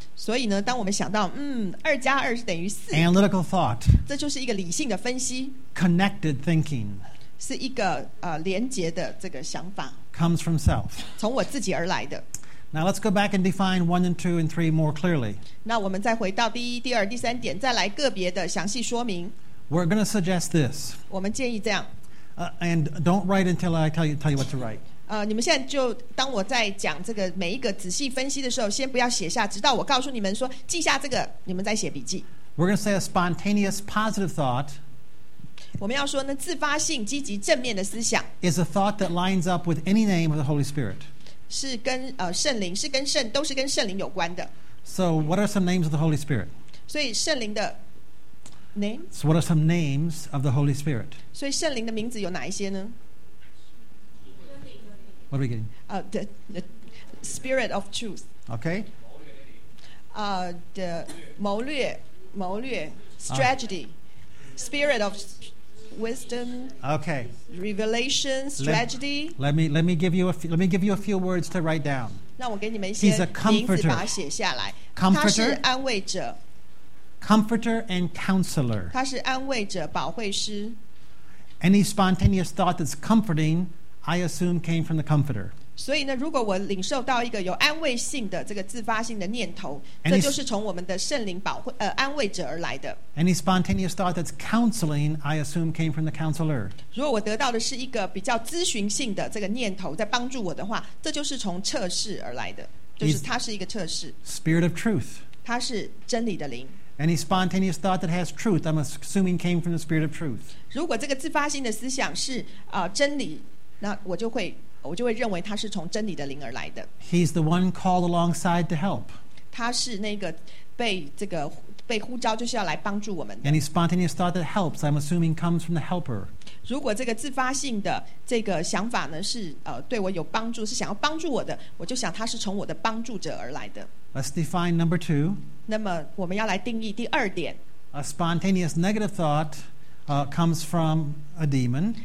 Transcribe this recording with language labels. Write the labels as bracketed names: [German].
[Chinese] 所以呢，当我们想到，2加2是等于4。 [English] Analytical thought. [Chinese] 这就是一个理性的分析。 [English] Connected thinking. [Chinese] 是一个连接的这个想法。 [English] Comes from self. [Chinese] 从我自己而来的。 [English] Now let's go back and define 1 and 2 and 3 more clearly. [Chinese] 那我们再回到第一、第二、第三点，再来个别的详细说明。 [English] We're going to suggest this. [Chinese] 我们建议这样。 [English] And don't write until I tell you what to write. [Chinese] 你们现在就当我在讲这个每一个仔细分析的时候，先不要写下，直到我告诉你们说记下这个，你们再写笔记。 [English] We're going to say a spontaneous positive thought. [Chinese] 我们要说呢，自发性积极正面的思想 [English] is a thought that lines up with any name of the Holy Spirit. [Chinese] 是跟圣灵，是跟圣，都是跟圣灵有关的。 [English] So what are some names of the Holy Spirit? [Chinese] 所以圣灵的。 [English] Name? So what are some names of the Holy Spirit? [Chinese] 所以圣灵的名字有哪一些呢? [English] What are we getting? The Spirit of Truth. Okay. The 谋略 Strategy. Spirit of Wisdom. Okay. Revelation. Strategy. Let me give you a few words to write down. [Chinese] 让我给你们一些名字，把它写下来。 [English] Comforter. [Chinese] 他是安慰者。 [English] Comforter and counselor. [Chinese] 他是安慰者，保惠师。 [English] Any spontaneous thought that's comforting, I assume came from the comforter. [Chinese] 所以呢，如果我领受到一个有安慰性的这个自发性的念头，这就是从我们的圣灵保惠安慰者而来的。 [English] Any spontaneous thought that's counseling, I assume came from the counselor. [Chinese] 如果我得到的是一个比较咨询性的这个念头，在帮助我的话，这就是从测试而来的，就是它是一个测试。 [English] Spirit of truth. [Chinese] 它是真理的灵。 [English] Any spontaneous thought that has truth, I'm assuming came from the spirit of truth. [Chinese] 如果这个自发性的思想是真理，那我就会我就会认为他是从真理的灵而来的。 [English] He's the one called alongside to help. [Chinese] 他是那个被这个被呼召就是要来帮助我们的。 [English] Any spontaneous thought that helps, I'm assuming, comes from the helper. [Chinese] 如果这个自发性的这个想法呢是对我有帮助，是想要帮助我的，我就想他是从我的帮助者而来的。 [English] Let's define number two. [Chinese] 那么我们要来定义第二点。 [English] A spontaneous negative thought comes from a demon.